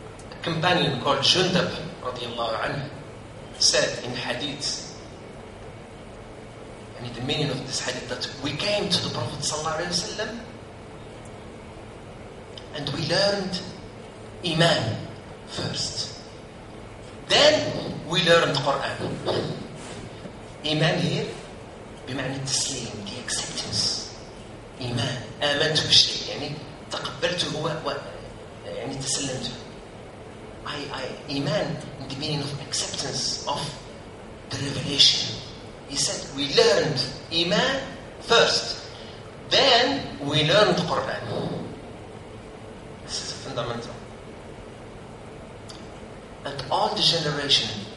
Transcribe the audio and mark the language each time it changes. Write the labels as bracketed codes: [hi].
[en] A companion called Jundab radiallahu anhu said in hadith, I mean, the meaning of this hadith, that we came to the Prophet ﷺ and we learned Iman first. Then we learned Quran. Iman here, [ar] بمعنى التسليم, [en] the acceptance. [ar] Iman, آمنت بشيء, يعني تقبلته هو, يعني تسلمته. [en] I, Iman, in the meaning of acceptance of the revelation. He said, we learned Iman first. Then we learned Quran. This is fundamental. And all the generation